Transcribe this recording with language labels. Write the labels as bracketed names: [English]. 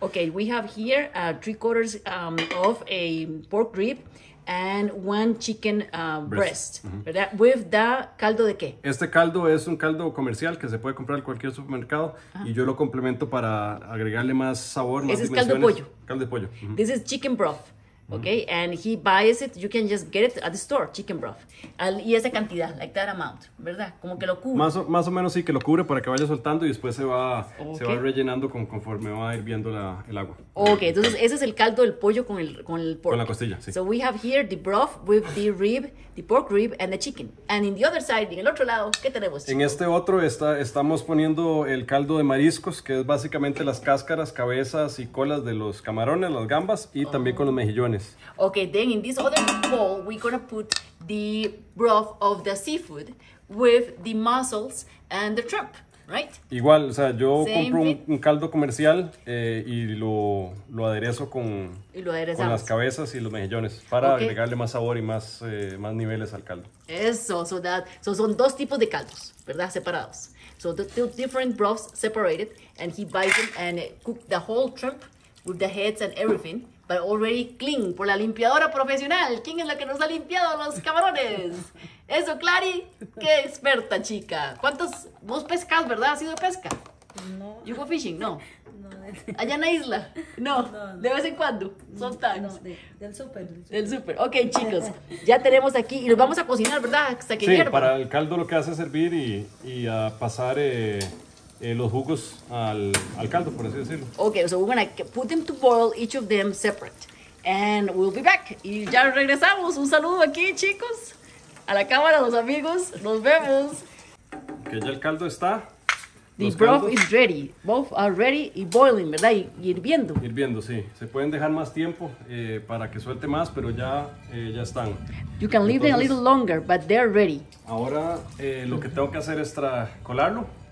[English] Okay, we have here 3/4 of a pork rib and 1 chicken breast. Uh-huh. ¿Verdad? [Spanish] With the caldo de qué? Este caldo es un caldo comercial que se puede comprar en cualquier supermercado. Uh-huh. Y yo lo complemento para agregarle más sabor, más dimensiones. Es caldo de pollo. Caldo de pollo. [English] Uh-huh. This is chicken broth. Okay, and he buys it, you can just get it at the store, chicken broth. [Spanish] Y esa cantidad, [English] like that amount, [Spanish] ¿verdad? Como que lo cubre. Más o menos sí, que lo cubre para que vaya soltando y después se va rellenando conforme va hirviendo el agua. Okay, entonces ese es el caldo del pollo con el pork. Con la costilla, sí. [English] So we have here the broth with the rib, the pork rib and the chicken. And in the other side, [Spanish] en el otro lado, ¿qué tenemos, chico? En este otro estamos poniendo el caldo de mariscos, que es básicamente las cáscaras, cabezas y colas de los camarones, las gambas y también con los mejillones. [English] Okay, then in this other bowl, we're gonna put the broth of the seafood with the mussels and the shrimp, right? [Spanish] Igual, o sea, yo same compro un caldo comercial y lo aderezo con las cabezas y los mejillones para agregarle más sabor y más niveles al caldo. Eso, so son 2 tipos de caldos, ¿verdad? Separados. [English] So the different broths separated, and he buys them and cook the whole shrimp with the heads and everything. But already clean, [Spanish] por la limpiadora profesional. ¿Quién es la que nos ha limpiado los camarones? Eso, Clary. Qué experta, chica. Vos pescas, ¿verdad? ¿Has ido de pesca? No. [English] ¿You go fishing? No. [Spanish] No. ¿Allá en la isla? No. ¿De vez en cuando? Sometimes. No, del súper. Del súper. Ok, chicos. Ya tenemos aquí y los vamos a cocinar, ¿verdad? Hasta que sí, hierva. Para el caldo lo que hace es servir y a pasar los jugos al caldo, por así decirlo. [English] Okay, so we're gonna put them to boil, each of them separate. And we'll be back. [Spanish] Y ya regresamos. Un saludo aquí, chicos. A la cámara, los amigos. Nos vemos. Okay, ya el caldo está. [English] The broth is ready. Both are ready y boiling, ¿verdad? [Spanish] Y hirviendo. Hirviendo, sí. Se pueden dejar más tiempo para que suelte más, pero ya están. [English] You can leave them a little longer, but they're ready. [Spanish] Ahora lo que tengo que hacer es colarlo.